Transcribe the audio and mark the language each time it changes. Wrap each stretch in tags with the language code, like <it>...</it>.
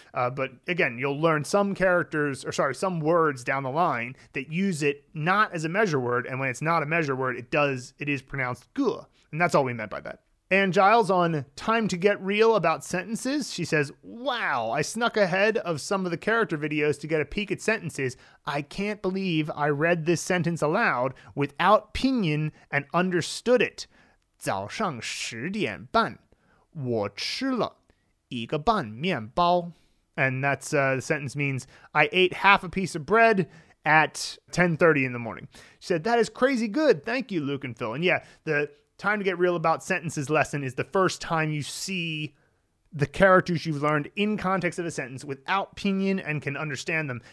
<en>But again, you'll learn some words down the line that use it not as a measure word, and when it's not a measure word, it is pronounced gua. And that's all we meant by that. And Giles on Time to Get Real About Sentences, she says, wow, I snuck ahead of some of the character videos to get a peek at sentences. I can't believe I read this sentence aloud without pinyin and understood it.</en> <zh>早上10点半,我吃了一个半面包.</zh> <en>And that's the sentence means, I ate half a piece of bread at 10:30 in the morning. She said, that is crazy good. Thank you, Luke and Phil. And yeah, the Time to Get Real About Sentences lesson is the first time you see the characters you've learned in context of a sentence without pinyin and can understand them.</en>